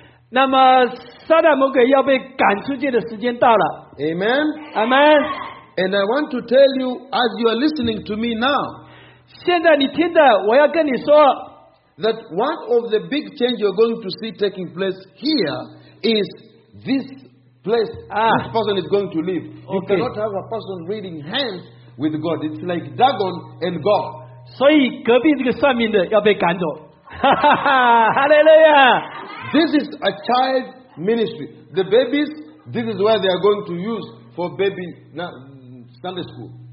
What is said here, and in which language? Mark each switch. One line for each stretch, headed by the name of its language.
Chinese: 那么撒旦魔鬼要被赶出去的时间到了。Amen.
English: Amen. And I want to tell you, as you are listening to me now,
Chinese: 现在你听的我要跟你说,
English: that one of the big changes you're going to see taking place here is this place this person is going to live. Okay. You cannot have a person reading hands with God. It's like Dagon and God.
Chinese: 所以隔壁这个算命的要被赶走。
English: Hallelujah! This is a child ministry. The babies, this is where they are going to use for baby Sunday school.